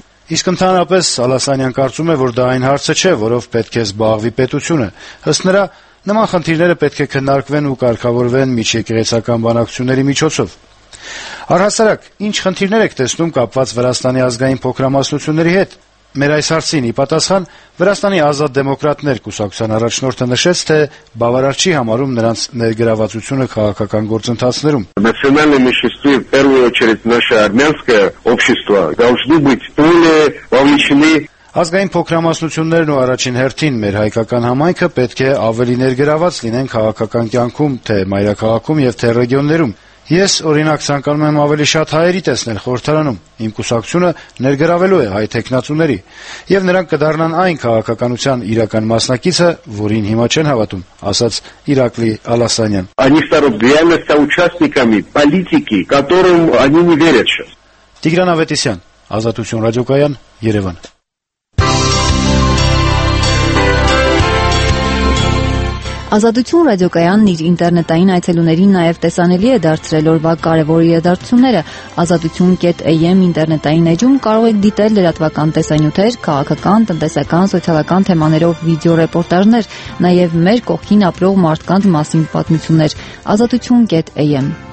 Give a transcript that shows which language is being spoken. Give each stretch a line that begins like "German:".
Armenian: Իսկ ընդհանրապես Ալասանյան կարծում է, որ դա այն հարցը չէ, որով պետք է զբաղվի պետությունը, ըստ նրա նման խնդիրները պետք է քննարկվեն ու կարգավորվեն միջեկեղեցական բանակցությունների միջոցով։ Առհասարակ, ինչ խնդիրներ եք տեսնում կապված Վրաստանի ազգային փոքրամասնությունների հետ։ Մեր այս հարցին ի պատասխան Վրաստանի ազատ դեմոկրատներ կուսակցության առաջնորդը նշեց, թե բավարար չի համարում նրանց ներգրավվածությունը քաղաքական գործընթացներում։
Russian: Национальное меньшинство, в первую очередь наше армянское общество, должны быть более вовлечены.
Armenian: Ազգային փոքրամասնություններն ու առաջին հերթին մեր հայկական համայնքը պետք է ավելի ներգրավված լինեն քաղաքական կյանքում, թե մայրաքաղաքում եւ թե ռեգիոններում։ Ես, օրինակ, ցանկանում եմ ավելի շատ հայերի տեսնել խորհրդարանում։ Իմ կուսակցությունը ներգրավելու է հայ տեխնացուների, և նրանք կդառնան այն քաղաքականության իրական մասնակիցը, որին հիմա չեն հավատում, ասաց Իրակլի Ալասանյան։
Russian: Они стали реальными участниками политики, которым они не верят сейчас.
Armenian: Տիգրան Ավետիսյան, Ազատություն ռադիոկայան, Երևան։ Ազատություն ռադիոկայանն իր ինտերնետային այցելուներին նաև տեսանելի է դարձրել օրվա կարևոր իրադարձությունները։ Ազատություն.am ինտերնետային էջում կարող եք դիտել լրատվական տեսանյութեր, քաղաքական, տնտեսական, սոցիալական թեմաներով վիդեոռեպորտաժներ, նաև մեր կողքին ապրող մարդկանց մասին պատմություններ։ Ազատություն.am